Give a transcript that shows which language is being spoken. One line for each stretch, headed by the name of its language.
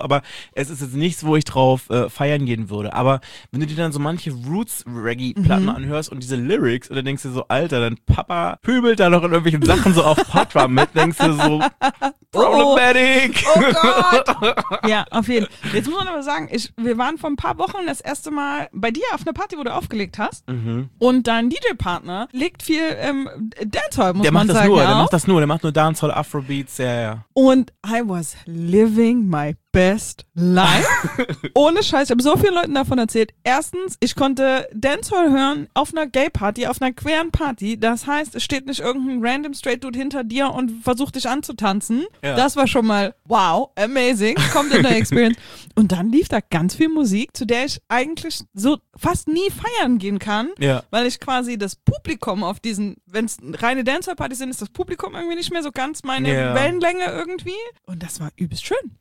German: Aber es ist jetzt nichts, wo ich drauf feiern gehen würde. Aber wenn du dir dann so manche Roots-Reggae-Platten anhörst und diese Lyrics und dann denkst du so, Alter, dein Papa pübelt da noch in irgendwelchen Sachen so auf Patois mit, denkst du so, problematic. Oh, oh Gott. Ja, auf jeden Fall. Jetzt muss man aber sagen, wir waren vor ein paar Wochen das erste Mal bei dir auf einer Party, wo du aufgelegt hast. Mhm. Und dein DJ-Partner legt viel Dancehall, muss der man sagen. Nur, der macht das nur. Der macht nur Dancehall, Afrobeats. Ja, ja. Und
English: I was living my best life.
German: Ohne Scheiß. Ich habe so vielen Leuten davon erzählt. Erstens, ich konnte Dancehall hören auf einer Gay-Party, auf einer queeren Party. Das heißt, es steht nicht irgendein
English: random straight dude
German: hinter dir und versucht dich anzutanzen. Ja. Das war schon mal
English: wow, amazing,
German: kommt in der Experience. Und dann lief da ganz viel Musik, zu der ich eigentlich so fast nie feiern gehen kann, weil ich quasi das Publikum auf diesen, wenn es reine Dancehall-Partys sind, ist das Publikum irgendwie nicht mehr so ganz meine Wellenlänge irgendwie. Und das war übelst schön.